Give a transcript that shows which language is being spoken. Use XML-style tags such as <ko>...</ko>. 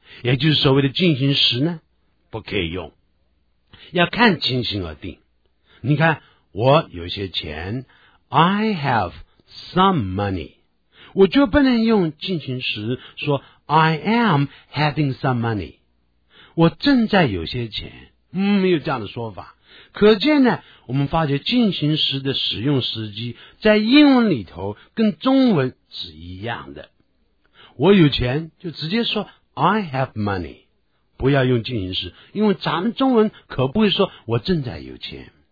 <zh>也就是所谓的进行时呢？不可以用，要看情形而定。你看，我有些钱 ，</zh> <en>I have some money，</en> <zh>我就不能用进行时说</zh> <en>I am having some money。</en> <zh>我正在有些钱，没有这样的说法。可见呢，我们发觉进行时的使用时机在英文里头跟中文是一样的。我有钱就直接说</zh> <en>I have money，</en> <zh>不要用进行时，因为咱们中文可不会说我正在有钱。</zh>